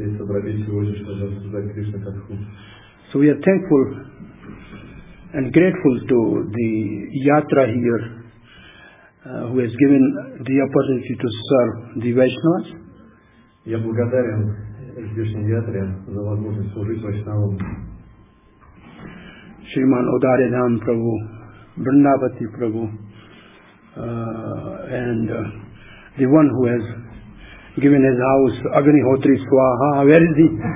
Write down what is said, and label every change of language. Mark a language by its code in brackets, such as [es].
[en] So we are thankful and grateful to the Yatra here, who has given the opportunity to serve the Vaishnavas. [ru] Я благодарен здешним ятре за возможность служить Вайшнавам. [en] Шриман Одаридам Прабху, Бриндавати Прабху, and the one who has given his house, Agnihotri Swaha, where is he?